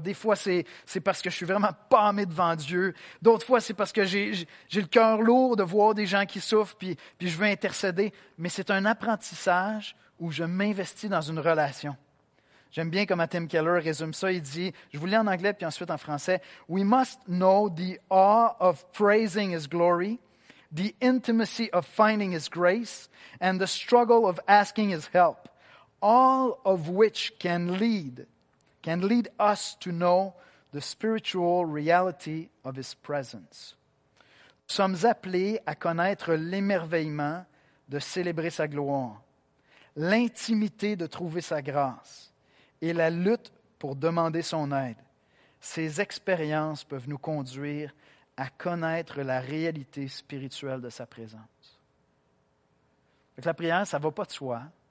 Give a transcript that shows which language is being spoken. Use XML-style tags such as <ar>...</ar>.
<fr>Des fois, c'est parce que je suis vraiment pâmé devant Dieu. D'autres fois, c'est parce que j'ai le cœur lourd de voir des gens qui souffrent, puis je veux intercéder. Mais c'est un apprentissage où je m'investis dans une relation. J'aime bien comment Tim Keller résume ça. Il dit, je vous lis en anglais, puis ensuite en français.</fr> <en>« We must know the awe of praising His glory, the intimacy of finding His grace, and the struggle of asking His help, all of which can lead us to know the spiritual reality of His presence.</en> <fr>Nous sommes appelés à connaître l'émerveillement de célébrer sa gloire, l'intimité de trouver sa grâce et la lutte pour demander son aide. Ces expériences peuvent nous conduire à connaître la réalité spirituelle de sa présence. » Donc, la prière, ça ne va pas de soi.</fr>